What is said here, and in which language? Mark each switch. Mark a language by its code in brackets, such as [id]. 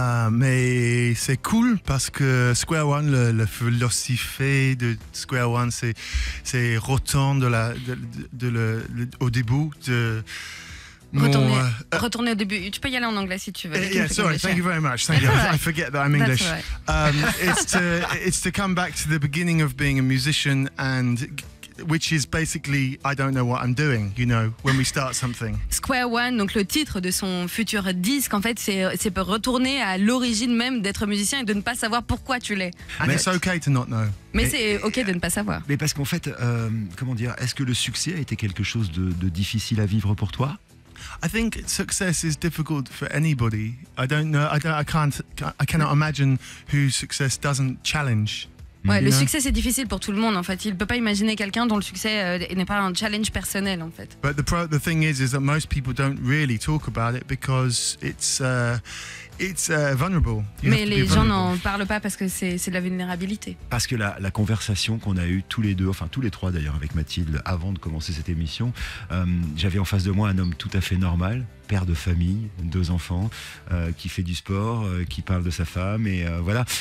[fr] Mais c'est cool parce que Square One, le philosophie de Square One, c'est retourne de la de au début de retourner au début. Tu peux y aller en anglais si tu veux. [en] Thank you very much. Thank you. I forget that I'm English. That's right. it's to come back to the beginning of being a musician and. Which is basically, I don't know what I'm doing, you know, when we start something. [fr] Square One, donc le titre de son futur disque, en fait, c'est pour retourner à l'origine même d'être musicien et de ne pas savoir pourquoi tu l'es. [en] And it's okay to not know. [fr] Mais c'est ok de ne pas savoir. Mais parce qu'en fait, comment dire, est-ce que le succès a été quelque chose de difficile à vivre pour toi? [en] I think success is difficult for anybody. I cannot imagine whose success doesn't challenge. [fr] Ouais, le succès c'est difficile pour tout le monde en fait. Il peut pas imaginer quelqu'un dont le succès n'est pas un challenge personnel en fait. [en] But the thing is that most people don't really talk about it because it's vulnerable. [fr] Mais les gens n'en parlent pas parce que c'est de la vulnérabilité. Parce que la conversation qu'on a eue tous les deux, enfin tous les trois d'ailleurs avec Mathilde avant de commencer cette émission, j'avais en face de moi un homme tout à fait normal, père de famille, deux enfants, qui fait du sport, qui parle de sa femme et voilà.